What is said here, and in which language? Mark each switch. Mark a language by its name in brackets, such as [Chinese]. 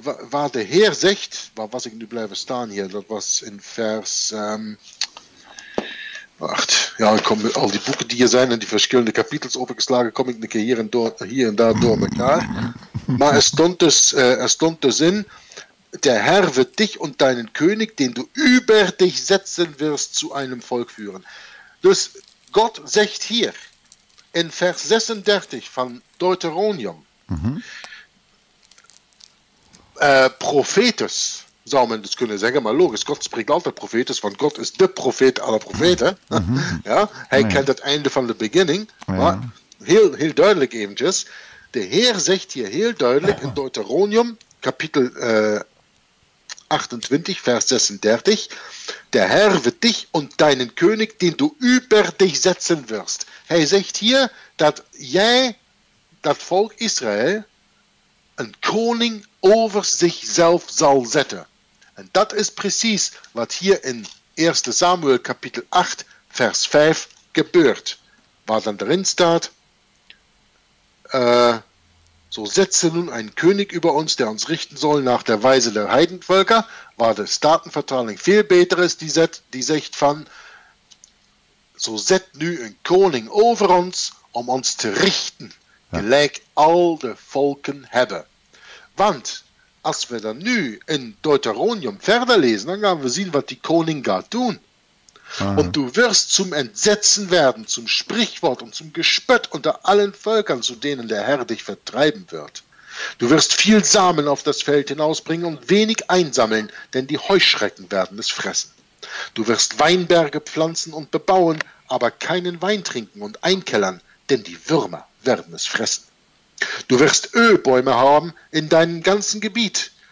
[Dutch] Waar de Heer zegt, waar was ik nu blijven staan hier, dat was in vers, wacht, ja, kom, al die boeken die hier zijn en die verschillende kapitels opengeslagen, kom ik een keer hier en daar door elkaar. [German] Maar er stond dus in, der Herr wird dich und deinen König, den du über dich setzen wirst, zu einem Volk führen. [Dutch] Dus God zegt hier, in vers 36 van Deuteronomium, Prophetes, zou men dus kunnen zeggen, maar logisch, God spreekt altijd Prophetes, want God is de profeet aller profeten. Mm-hmm. Ja, hij kent het einde van de beginning, maar heel duidelijk eventjes. De Heer zegt hier heel duidelijk in Deuteronomium, kapitel 28, vers 36, der Herr wird dich und deinen König, den du über dich setzen wirst. Hij zegt hier dat jij, dat volk Israël, een koning over zichzelf zal zetten. En dat is precies wat hier in 1 Samuel kapitel 8 vers 5 gebeurt. Waar dan erin staat, zo setze nun een koning over ons, der ons richten soll naar de wijze der heidenvölker, waar de Statenvertaling veel beter is, die zegt van, zo zet nu een koning over ons, om ons te richten, gelijk al de volken hebben. Want als we dan nu in Deuteronomium verder lezen, dan gaan we zien wat die koning gaat doen. [German] En du wirst zum Entsetzen werden, zum Sprichwort und zum Gespött unter allen Völkern, zu denen der Herr dich vertreiben wird. Du wirst viel Samen auf das Feld hinausbringen und wenig einsammeln, denn die Heuschrecken werden es fressen. Du wirst Weinberge pflanzen und bebauen, aber keinen Wein trinken und einkellern, denn die Würmer werden es fressen. Du wirst Ölbäume haben in deinem ganzen Gebiet,